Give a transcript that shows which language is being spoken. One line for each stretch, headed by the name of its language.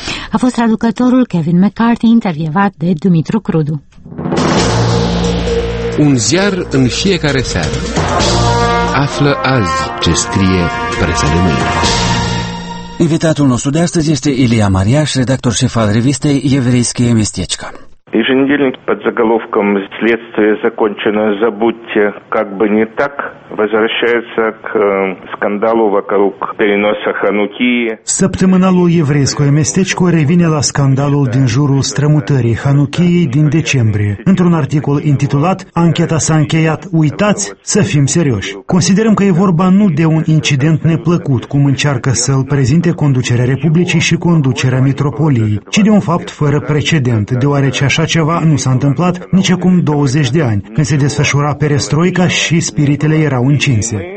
Romanian: A fost traducătorul Kevin McCartney, intervievat de Dumitru Crudu. Un ziar în fiecare seară. Află azi ce scrie presa de mâine. Invitatul nostru de astăzi este Ilia Mariaș, redactor șef al revistei Evreiske Mestechko.
Russian: Еженедельник под заголовком «Следствие закончено, забудьте, как бы не так» возвращается к скандалу вокруг переноса Ханукии.
Romanian: Săptămânalul Evreiskoe Mestechko revine la scandalul din jurul strămutării Hanukiei din decembrie. Într-un articol intitulat «Ancheta s-a încheiat, uitați, să fim serioși». Considerăm că e vorba nu de un incident neplăcut, cum încearcă să-l prezinte conducerea Republicii și conducerea Mitropoliei, ci de un fapt fără precedent, deoarece așa ceva nu s-a întâmplat nici acum 20 de ani, când se desfășura perestroica și spiritele erau încinse.